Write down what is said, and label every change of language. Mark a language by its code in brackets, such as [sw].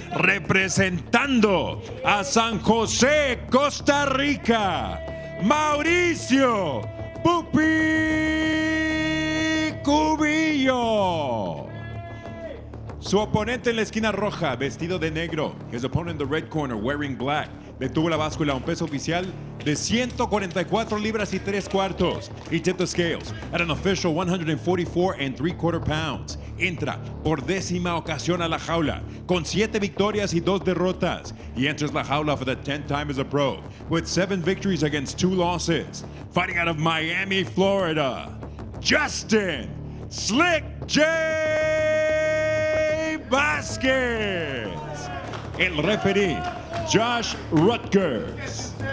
[es] Representando a San José, Costa Rica, Mauricio Pupi Cubillo. Su oponente en la esquina roja, vestido de negro. [en] His opponent in the red corner, wearing black. [es] Detuvo la báscula a un peso oficial de 144 libras y 3 cuartos. [en] He tipped the scales at an official 144 and 3 quarter pounds. [es] Entra por décima ocasión a la jaula con 7 victorias y 2 derrotas. [en] He enters [es] la jaula [en] for the 10th time as a pro with 7 victories against 2 losses. Fighting out of Miami, Florida, Justin Slick J. [es] Vazquez. El referee, Josh Rutgers.